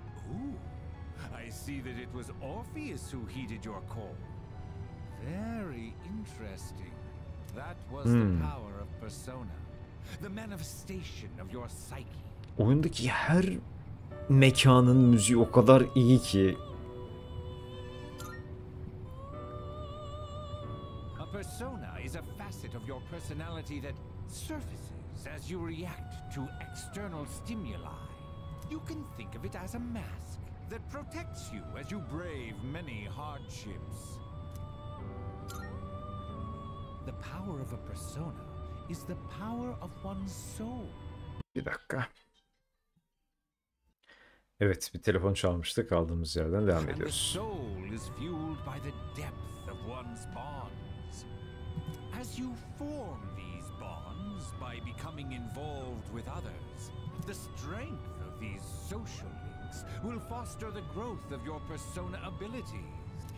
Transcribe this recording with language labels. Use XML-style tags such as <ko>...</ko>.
<en>Ooh, I see that it was Orpheus who heeded your call. Very interesting. That was the power of persona, the manifestation of your psyche.</en> <tr>Oyundaki her mekanın müziği o kadar iyi ki.</tr> <en>A persona is a facet of your personality that surfaces as you react to external stimuli. You can think of it as a mask that protects you as you brave many hardships. The power of a persona is the power of one's soul.</en> <tr>Bir dakika. Evet, bir telefon çalmıştı, kaldığımız yerden devam ediyoruz.</tr> <en>And the soul is fueled by the depth of one's bonds. As you form by becoming involved with others, the strength of these social links will foster the growth of your persona abilities.</en>